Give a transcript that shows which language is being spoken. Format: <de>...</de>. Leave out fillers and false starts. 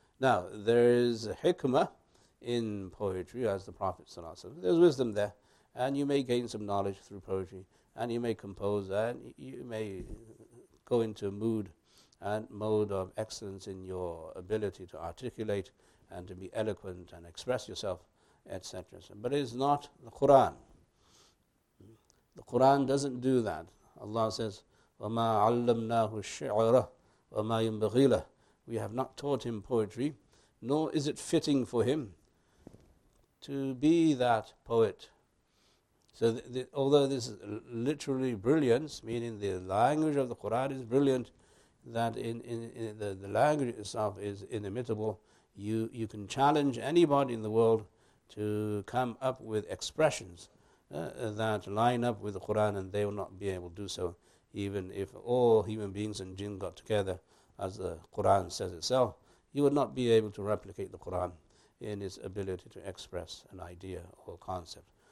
<en>Now, there is a hikmah in poetry, as the Prophet sallallahu alaihi wasallam, there's wisdom there, and you may gain some knowledge through poetry, and you may compose, and you may go into a mood and mode of excellence in your ability to articulate and to be eloquent and express yourself, etc. But it's not the Quran. The Quran doesn't do that.</en> <ar>Allah says, وَمَا عَلَّمْنَاهُ الشِّعْرَ وَمَا يَنْبَغِي لَهُ.</ar> <en>We have not taught him poetry, nor is it fitting for him to be that poet. So although this is literally brilliance, meaning the language of the Quran is brilliant, that in the language itself is inimitable, you can challenge anybody in the world to come up with expressions that line up with the Quran, and they will not be able to do so, even if all human beings and jinn got together, as the Quran says itself, you would not be able to replicate the Quran in its ability to express an idea or concept.</en>